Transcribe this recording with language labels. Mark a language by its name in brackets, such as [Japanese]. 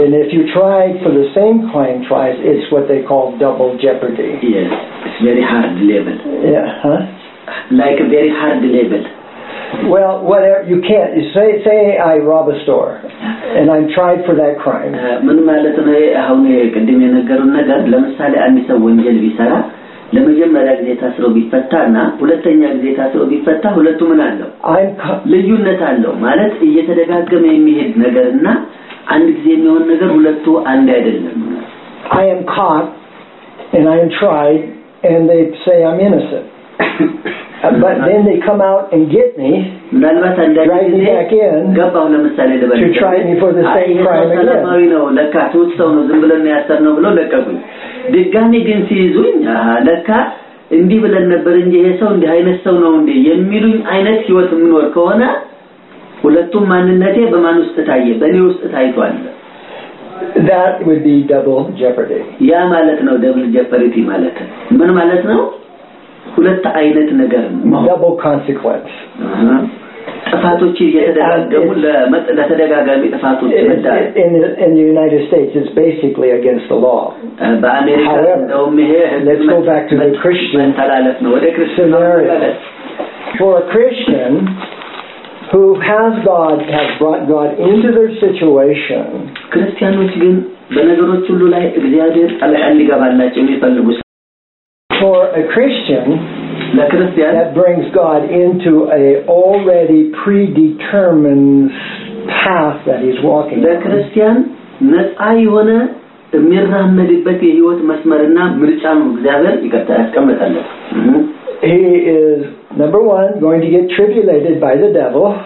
[English] and if you try for the same crime twice it's what they call double jeopardy yes it's very hard label yeah huh like a very hard label well whatever you can't say I rob a store and I'm tried for that crime [Amharic] ምን ማለት ነው አሁን ቀድም የነገሩን ነገር ለምሳሌ አንድ ሰው ወንጀል ቢሰራ ለመጀመሪያ ጊዜ ታስሮ ቢፈታና ሁለተኛ ጊዜ ታስሮ ቢፈታ ሁለቱ ምን አለው? ልዩነት አለው ማለት እየተደጋገመ የሚሄድ ነገርና አንድ ጊዜ የሚሆን ነገር ሁለቱ አንድ አይደለም። [English] I am caught and I am tried and they say I'm innocent. But then they come out and get me. [Amharic] ለማለት እንደዚህ ገባው ለምሳሌ ለበለ [English] to try me for the same crime again. [Amharic] ለማለት ነው ለካ ተውስተው ነው ዝም ብለን ያሰርነው ብሎ ለቀቁኝ. ድጋሚ ግን ሲይዙኝ ለካ እንዲ ብለን ነበር እንጂ ይሄ ሰው እንዲ አይነት ሰው ነው እንዴ የሚሉኝ አይነት ህይወት ምን ወር ከሆነ ሁለቱም ማንነቴ በማን ውስጥ ታየ በእኔ ውስጥ ታይቷል [English] that would be double jeopardy [Amharic] ያ ማለት ነው double jeopardy ማለት ምን ማለት ነው ሁለት አይነት ነገር ነው [English] double consequence [Amharic] ጥፋቶች እየተደጋገሙ ለተደጋጋሚ ጥፋቶች [English] እንደዳል in the united states is basically against the law [Amharic] በአሜሪካ ነው ምሄ [English] let's go back to the christian [Amharic] ተላለፍ ነው ወደ [English] ክርስቲያን for a christian who has God has brought God into their situation [Amharic] ክርስቲያኖች ግን በነገሮች ሁሉ ላይ እግዚአብሔር ጣልቃ ሊገባላቸው የሚፈልጉ [English] for a christian the christian that brings God into a already predetermined path that he's walking [Amharic] the christian ነፃ የሆነ የሚራመድበት የህይወት መስመርና ምርጫ ነው እግዚአብሔር ይከተላል [English] he is number 1 going to get tribulated by the devil